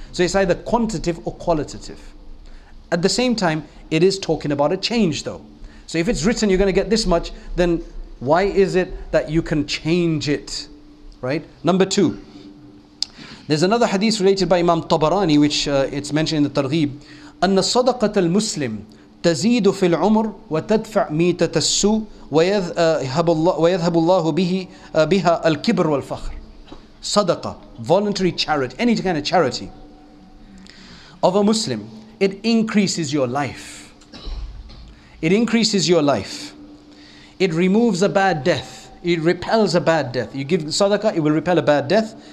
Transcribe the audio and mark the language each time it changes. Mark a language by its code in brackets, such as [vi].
[en] So it's either quantitative or qualitative. At the same time, it is talking about a change though. So if it's written you're going to get this much, then why is it that you can change it, right? Number two, there's another hadith related by Imam Tabarani, which it's mentioned in the Targhib. [ar] أن صدقة المسلم تزيد في العمر وتدفع ميتة السوء ويذهب الله بها الكبر والفخر. [en] صدقة, voluntary charity, any kind of charity of a Muslim, it increases your life. It increases your life. It removes a bad death. It repels a bad death. You give sadaqah, it will repel a bad death.